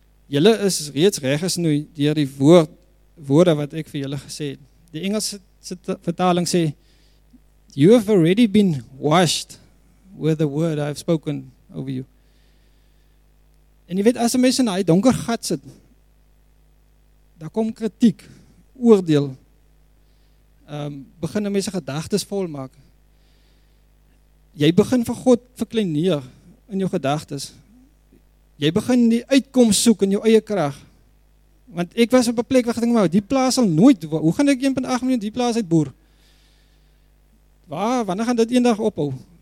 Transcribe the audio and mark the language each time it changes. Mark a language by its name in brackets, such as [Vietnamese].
[Afrikaans] Julle is reeds reg gesnoei deur die woorde wat ek vir julle gesê het. Die Engelse vertaling sê, [English] "You have already been washed with the word I have spoken over you." [Afrikaans] En jy weet, as een mens in die donker gat sit, daar kom kritiek, oordeel, begin een mens een gedagtes vol maak. Jy begin van God verkleineer in jou gedagtes. Jy begin die uitkomst soek in jou eie kracht. Want ek was op een plek waar ek dink, maar die plaas sal nooit, hoe gaan ek 1.8 miljoen die plaas uitboer? Waar, wanneer gaan dit een dag ophou?